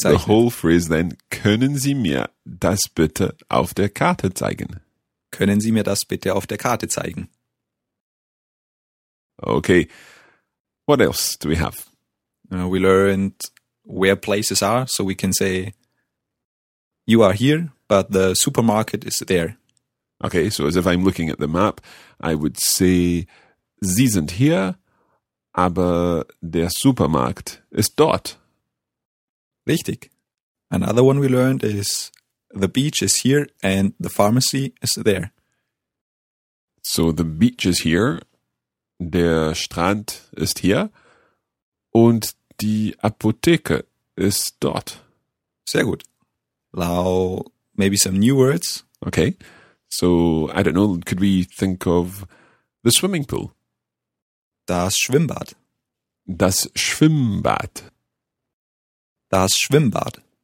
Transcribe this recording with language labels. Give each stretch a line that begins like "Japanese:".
English: So the whole phrase then,
German: können Sie mir das bitte auf der Karte zeigen? Können Sie mir das bitte auf der Karte zeigen?
English: Okay. What else do we have? We learned where places are, so we can say, you are here, but the supermarket is there. Okay, so as if I'm looking at the map, I would say,
German: Sie sind hier, aber der Supermarkt ist dort. Richtig.
English: Another one we learned is the beach is here and the pharmacy is there. So the beach is here, der Strand ist hier und die Apotheke ist dort.
German: Sehr gut.
English: Now, maybe some new words. Okay. So, I don't know, could we think of the swimming pool?
German: Das Schwimmbad. Das Schwimmbad. Das Schwimmbad.